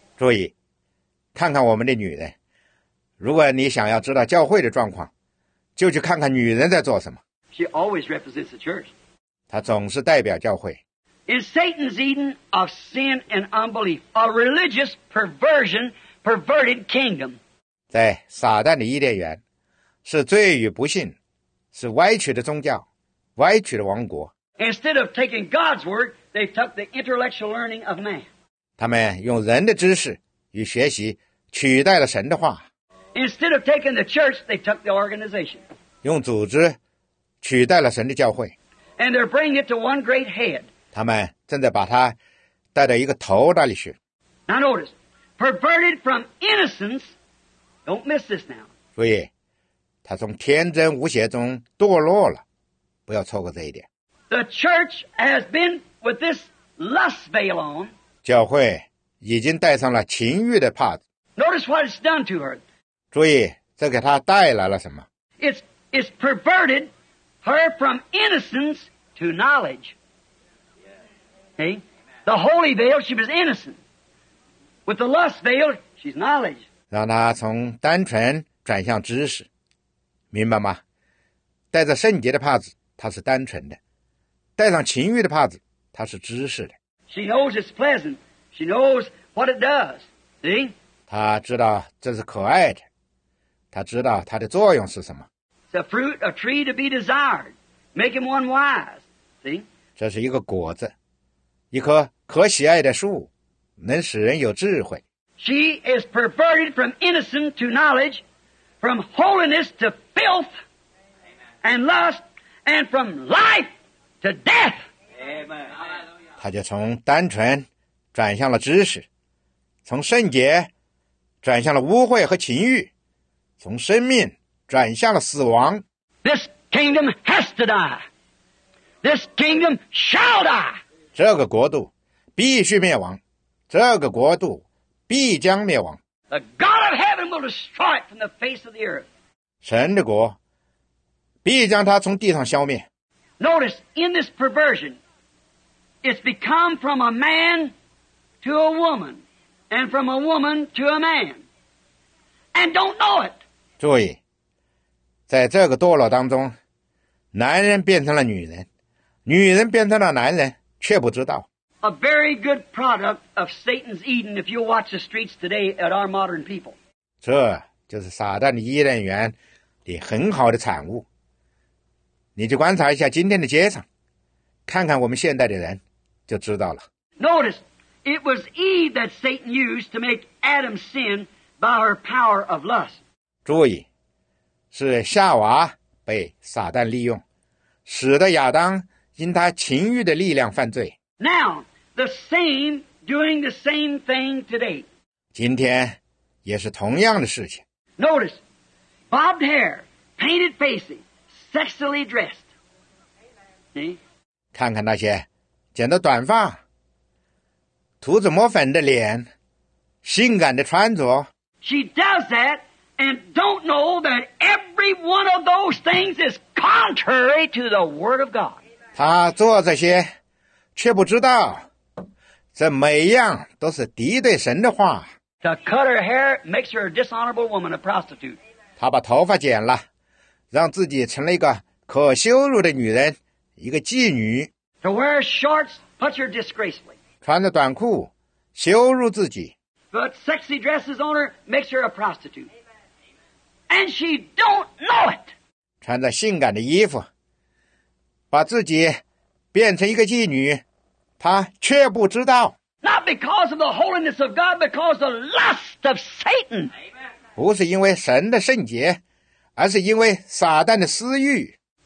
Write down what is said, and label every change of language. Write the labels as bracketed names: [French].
[Chinese] 注意，看看我们的女人。如果你想要知道教会的状况，就去看看女人在做什么。 [English] She always represents the church. [Chinese] 她总是代表教会。 [English] In Satan's Eden of sin and unbelief, a religious perversion, perverted kingdom. [Chinese] 在撒旦的伊甸园，是罪与不信，是歪曲的宗教。歪曲的王国。 [English] Instead of taking God's word, they took the intellectual learning of man. [Chinese] 他们用人的知识与学习取代了神的话。 [English] Instead of taking the church, they took the organization. [Chinese] 用组织取代了神的教会。 [English] And they're bringing it to one great head. [Chinese] 他们正在把它带到一个头那里去。 [English] Now notice, perverted from innocence, don't miss this now. [Chinese] 注意，他从天真无邪中堕落了，不要错过这一点。 [English] The church has been with this lust veil on. [Chinese] 教会已经戴上了情欲的帕子。 [English] Notice what it's done to her. [Chinese] 注意，这给她带来了什么？ [English] It's perverted her from innocence to knowledge. Okay? The holy veil, she was innocent. With the lust veil, she's knowledge. [Chinese] 让她从单纯转向知识，明白吗？戴着圣洁的帕子，她是单纯的；戴上情欲的帕子，她是知识的。 [English] She knows it's pleasant. She knows what it does. See? [Chinese] 她知道这是可爱的。他知道他的作用是什么。 [English] It's a fruit, a tree to be desired, making one wise. See? [Chinese] 这是一个果子，一棵可喜爱的树，能使人有智慧。 [English] She is perverted from innocence to knowledge, from holiness to filth and lust, and from life to death. Amen. [Chinese] 他就从单纯转向了知识，从圣洁转向了污秽和情欲。从生命转向了死亡。 [English] This kingdom has to die. This kingdom shall die. [Chinese] 这个国度必须灭亡，这个国度必将灭亡。 [English] The God of heaven will destroy it from the face of the earth. [Chinese] 神的国必将它从地上消灭。 [English] Notice in this perversion, it's become from a man to a woman, and from a woman to a man, and don't know it. [Chinese] 注意，在这个堕落当中，男人变成了女人，女人变成了男人，却不知道。 [English] A very good product of Satan's Eden, if you watch the streets today at our modern people. [Chinese] 这就是撒旦的伊甸园里很好的产物。你去观察一下今天的街上，看看我们现代的人，就知道了。 [English] Notice, it was Eve that Satan used to make Adam sin by her power of lust. [Chinese] 注意，是夏娃被撒旦利用，使得亚当因他情欲的力量犯罪。 [English] Now, the same doing the same thing today. [Chinese] 今天也是同样的事情。 [English] Notice, bobbed hair, painted faces, sexually dressed. See? [Chinese] 看看那些剪的短发、涂脂抹粉的脸、性感的穿着。 [English] She does that. And don't know that every one of those things is contrary to the Word of God. [Chinese] 他做这些，却不知道，这每样都是敌对神的话。 [English] To cut her hair makes her a dishonorable woman, a prostitute. [Chinese] 他把头发剪了，让自己成了一个可羞辱的女人，一个妓女。 [English] To wear shorts puts her disgracefully. [Chinese] 穿着短裤，羞辱自己。 [English] But sexy dresses on her makes her a prostitute. And she don't know it. [Chinese] 穿着性感的衣服，把自己变成一个妓女，她却不知道。 [English] Not because of the holiness of God, because of the lust of Satan. [Chinese] 不是因为神的圣洁，而是因为撒旦的私欲。